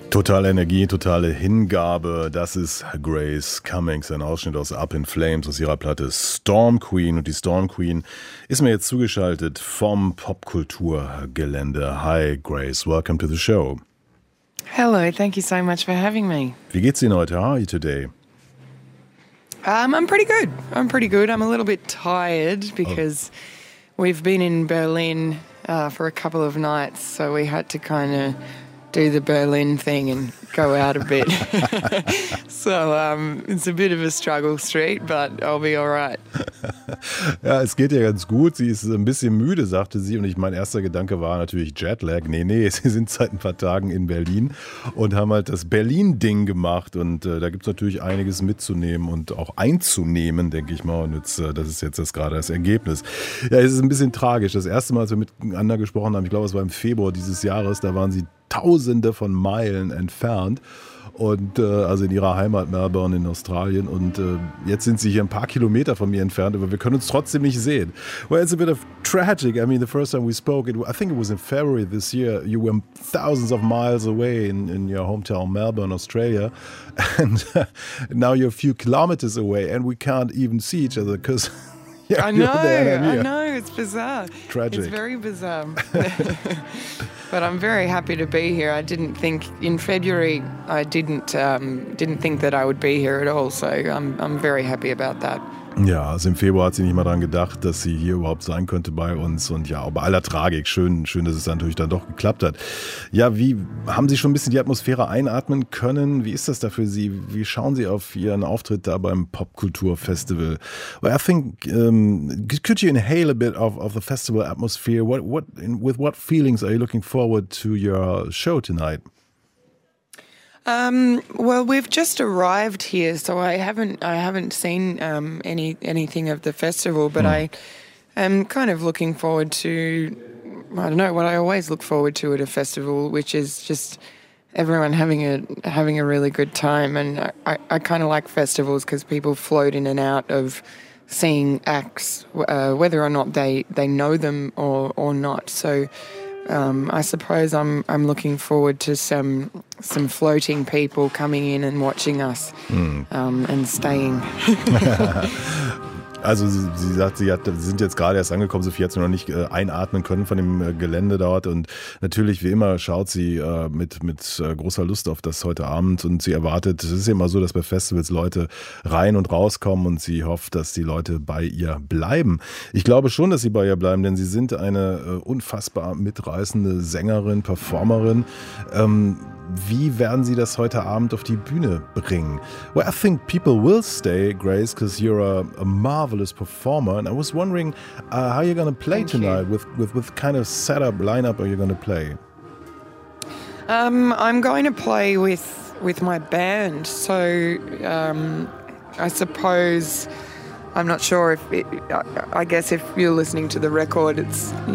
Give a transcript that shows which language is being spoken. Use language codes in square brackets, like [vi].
[de] Totale Energie, totale Hingabe, das ist Grace Cummings, ein Ausschnitt aus Up in Flames aus ihrer Platte Storm Queen. Und die Storm Queen ist mir jetzt zugeschaltet vom Popkulturgelände. [en] Hi Grace, welcome to the show. Hello, thank you so much for having me. [de] Wie geht's Ihnen heute? [en] How are you today? I'm pretty good. I'm pretty good. I'm a little bit tired because we've been in Berlin for a couple of nights, so we had to kind of do the Berlin thing and go out a bit. So it's a bit of a struggle street, but I'll be all right. [de] Ja, es geht ja ganz gut. Sie ist ein bisschen müde, sagte sie. Und mein erster Gedanke war natürlich Jetlag. Nee, nee, sie sind seit ein paar Tagen in Berlin und haben halt das Berlin-Ding gemacht. Und da gibt es natürlich einiges mitzunehmen und auch einzunehmen, denke ich mal. Und jetzt, das ist jetzt gerade das Ergebnis. Ja, es ist ein bisschen tragisch. Das erste Mal, als wir miteinander gesprochen haben, ich glaube, es war im Februar dieses Jahres, da waren sie Tausende von Meilen entfernt. Und also in ihrer Heimat Melbourne in Australien. Und jetzt sind sie hier ein paar Kilometer von mir entfernt, aber wir können uns trotzdem nicht sehen. [en] Well, it's a bit of tragic. I mean, the first time we spoke, I think it was in February this year, you were thousands of miles away in your hometown Melbourne, Australia. And now you're a few kilometers away and we can't even see each other because... Yeah, I know, there, I know, it's bizarre. Tragic. It's very bizarre. But I'm very happy to be here. I didn't think in February I didn't think that I would be here at all. So I'm very happy about that. [de] Ja, also im Februar hat sie nicht mal daran gedacht, dass sie hier überhaupt sein könnte bei uns. Und ja, bei aller Tragik, schön, dass es dann natürlich dann doch geklappt hat. Ja, wie haben Sie schon ein bisschen die Atmosphäre einatmen können? Wie ist das da für Sie? Wie schauen Sie auf Ihren Auftritt da beim Popkulturfestival? [en] Well, I think, could you inhale a bit of the festival atmosphere? With what feelings are you looking forward to your show tonight? Well, we've just arrived here, so I haven't seen anything of the festival, but I am kind of looking forward to, I don't know, what I always look forward to at a festival, which is just everyone having a really good time. And I kind of like festivals because people float in and out of seeing acts, whether or not they know them or not. So I suppose I'm looking forward to some floating people coming in and watching us and staying. Also sie sagt, sie sind jetzt gerade erst angekommen, Sophie hat sie noch nicht einatmen können von dem Gelände dort. Und natürlich, wie immer, schaut sie mit großer Lust auf das heute Abend. Und sie erwartet, es ist ja immer so, dass bei Festivals Leute rein und rauskommen und sie hofft, dass die Leute bei ihr bleiben. Ich glaube schon, dass sie bei ihr bleiben, denn sie sind eine unfassbar mitreißende Sängerin, Performerin. Wie werden Sie das heute Abend auf die Bühne bringen? Well, I think people will stay, Grace, because you're a marvelous performer. And I was wondering, how you're going to play Thank tonight you. with kind of setup, lineup are you going to play? I'm going to play with my band. So I suppose, I'm not sure if, it, I guess if you're listening to the record, it's,